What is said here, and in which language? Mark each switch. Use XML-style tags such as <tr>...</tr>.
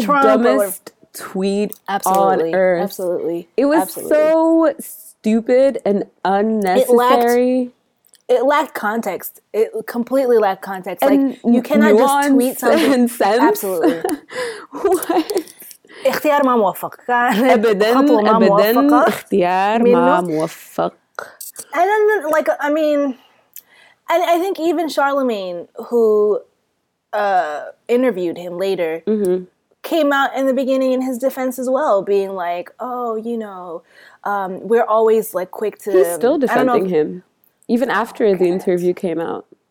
<en>Trump dumbest tweet absolutely, on earth. Absolutely. It was absolutely. So stupid and unnecessary. It lacked context. It completely lacked context. And like, you cannot just tweet something. Sense? Absolutely. What?</en> <ar>اختيار ما موفق. أبداً أبداً اختيار ما موفق.</ar> <en>And then, like, I mean, I think even Charlemagne, who interviewed him later, came out in the beginning in his defense as well, being like, oh, you know, we're always, like, quick to... He's still defending him, even after the interview came out.</en>